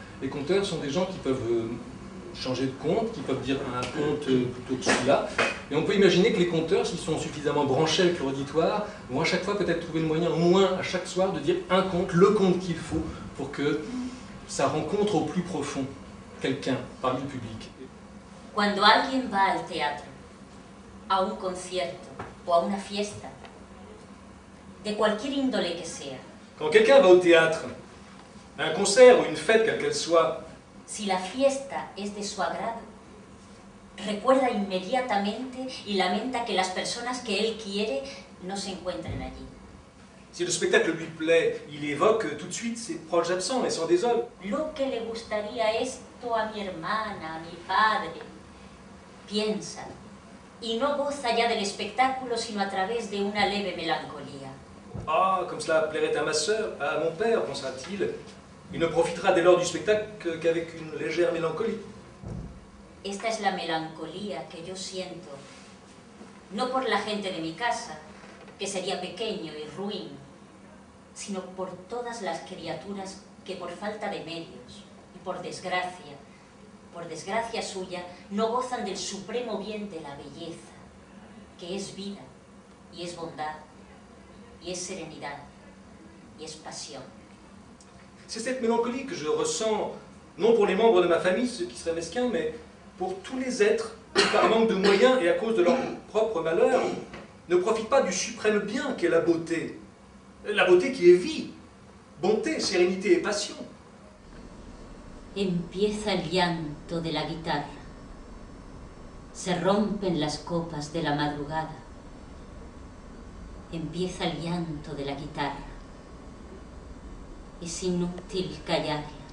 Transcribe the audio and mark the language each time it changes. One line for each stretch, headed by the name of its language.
French: Les conteurs sont des gens qui peuvent changer de conte, qui peuvent dire un conte plutôt que celui-là. Et on peut imaginer que les conteurs, s'ils sont suffisamment branchés avec leur auditoire, vont à chaque fois peut-être trouver le moyen, au moins à chaque soir, de dire un conte, le conte qu'il faut, pour que ça rencontre au plus profond quelqu'un parmi le public.
Spanish: Cuando alguien va al teatro, a un concierto o a una fiesta, de cualquier índole que sea.
French: Quand quelqu'un va au théâtre, à un concert ou une fête, quelle qu'elle soit,
Spanish: si la fiesta es de su agrado, recuerda inmediatamente y lamenta que las personas que él quiere no se encuentren allí.
French: Si le spectacle lui plaît, il évoque tout de suite ses proches absents et s'en désole.
Spanish: Lo que le gustaría esto a mi hermana, a mi padre. Piensa y no goza ya del espectáculo sino a través de una leve melancolía.
French: Ah, comme cela plairait à ma sœur, à mon père, pensera-t-il. Il ne profitera dès lors du spectacle qu'avec une légère mélancolie.
Spanish: Esta es la melancolía que yo siento, no por la gente de mi casa, que sería pequeño y ruin, sino por todas las criaturas que por falta de medios y por desgracia suya, no gozan del supremo bien de la belleza, que es vida, y es bondad, y es serenidad, y es pasión.
French: C'est cette mélancolie que je ressens, non pour les membres de ma famille, ce qui serait mesquin, mais pour tous les êtres qui, par manque de moyens et à cause de leur propre malheur, ne profitent pas du suprême bien qu'est la beauté qui est vie, bonté, sérénité et passion.
Spanish: Empieza el llanto de la guitarra. Se rompen las copas de la madrugada. Empieza el llanto de la guitarra. Es inútil callarla.